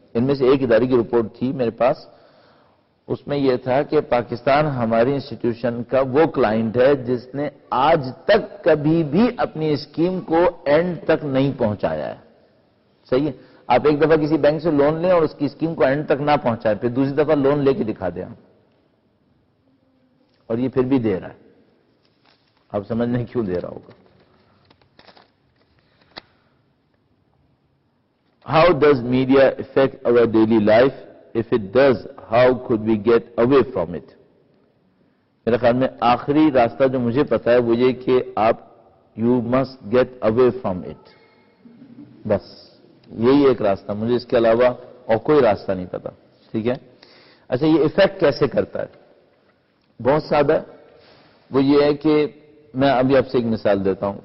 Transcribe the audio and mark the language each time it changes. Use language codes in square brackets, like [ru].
[ur] ان میں سے ایک ادارے کی رپورٹ تھی میرے پاس، اس میں یہ تھا کہ پاکستان ہماری انسٹیٹیوشن کا وہ کلائنٹ ہے جس نے آج تک کبھی بھی اپنی اسکیم کو اینڈ تک نہیں پہنچایا ہے، صحیح ہے. آپ ایک دفعہ کسی بینک سے لون لیں اور اس کی اسکیم کو اینڈ تک نہ پہنچائے، پھر دوسری دفعہ لون لے کے دکھا دیں اور یہ پھر بھی دے رہا ہے، آپ سمجھ لیں کیوں دے رہا ہوگا. [en] How does media affect our daily life? If it does, how could we get away from it? [ur] میرے خیال میں آخری راستہ جو مجھے پتا ہے وہ یہ کہ آپ [en] you must get away from it. [ur] بس یہی ایک راستہ، مجھے اس کے علاوہ اور کوئی راستہ نہیں پتا، ٹھیک ہے. اچھا یہ افیکٹ کیسے کرتا ہے؟ بہت سادہ وہ یہ ہے کہ میں ابھی آپ سے ایک مثال دیتا ہوں.